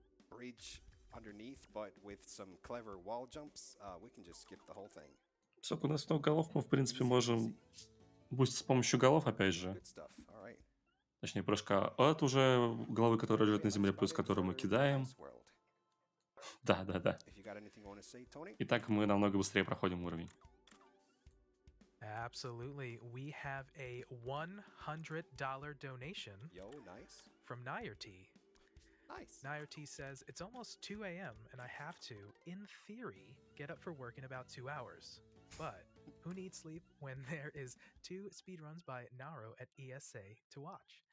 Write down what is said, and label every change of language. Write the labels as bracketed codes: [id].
[en] Bridge underneath, but with some clever wall jumps, we can just skip the whole thing. [ru] So, у нас много голов, мы в принципе можем бустить с помощью голов, опять же. Точнее, прыжка. Это уже головы, которые лежат на земле, плюс которые мы кидаем. Да, да, да. Итак, мы намного быстрее проходим уровень. [en] Absolutely, we have a $100 donation. Yo, nice. From Nyerty. Nice. Nyerty says, it's almost 2 a.m. and I have to, in theory, get up for work in about 2 hours. But who needs sleep when there is 2 speedruns by naro at ESA to watch?